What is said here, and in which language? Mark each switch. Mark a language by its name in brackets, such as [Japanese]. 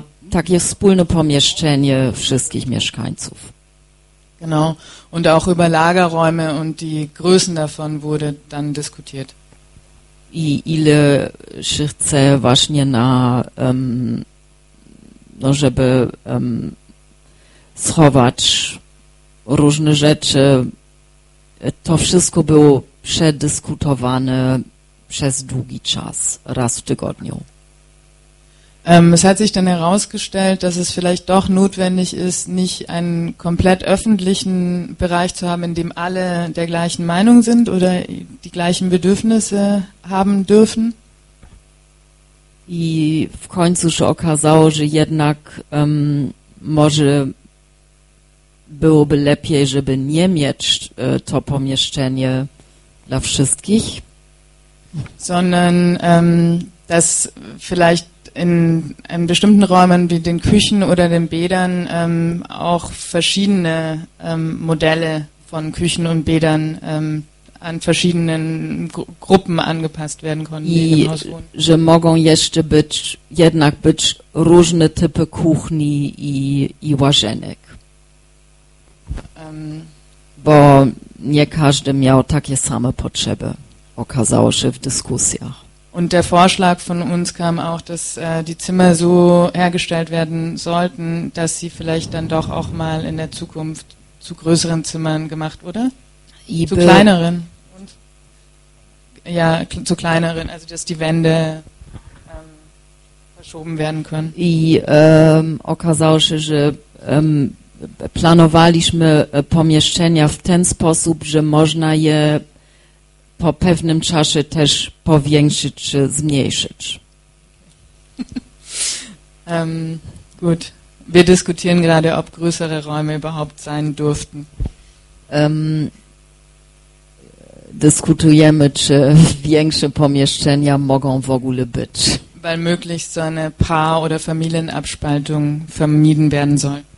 [Polish] Takie wspólne pomieszczenie wszystkich mieszkańców. [German] Genau. Und auch über Lagerräume und die Größen davon wurde dann diskutiert. [Polish] I ile się chce właśnie na, żeby schować różne rzeczy. To wszystko było przedyskutowane przez długi czas, raz w tygodniu. [German] Es hat sich dann herausgestellt, dass es vielleicht doch notwendig ist, nicht einen komplett öffentlichen Bereich zu haben, in dem alle der gleichen Meinung sind oder die gleichen Bedürfnisse haben dürfen. [Polish] I w końcu się okazało, że jednak może byłoby lepiej, żeby nie mieć to pomieszczenie dla wszystkich. [German] Sondern dass vielleicht in bestimmten Räumen wie den Küchen oder den Bädern auch verschiedene Modelle von Küchen und Bädern an verschiedenen Gruppen angepasst werden konnten, die im Haus wohnen. [Polish] Że mogą jeszcze być, jednak być różne typy kuchni i łazienek. Bo nie każdy miał takie same potrzeby, okazało się w dyskusjach. [German] Und der Vorschlag von uns kam auch, dass die Zimmer so hergestellt werden sollten, dass sie vielleicht dann doch auch mal in der Zukunft zu größeren Zimmern gemacht, oder? Zu kleineren, also dass die Wände verschoben werden können. [Polish] I okazało się, że planowaliśmy pomieszczenia w ten sposób, że można je po pewnym czasie też powiększyć czy zmniejszyć. [German] Gut. Wir diskutieren gerade, ob größere Räume überhaupt sein durften. [Polish] dyskutujemy, czy większe pomieszczenia mogą w ogóle być. [German] Weil möglichst so eine Paar- oder Familienabspaltung vermieden werden soll.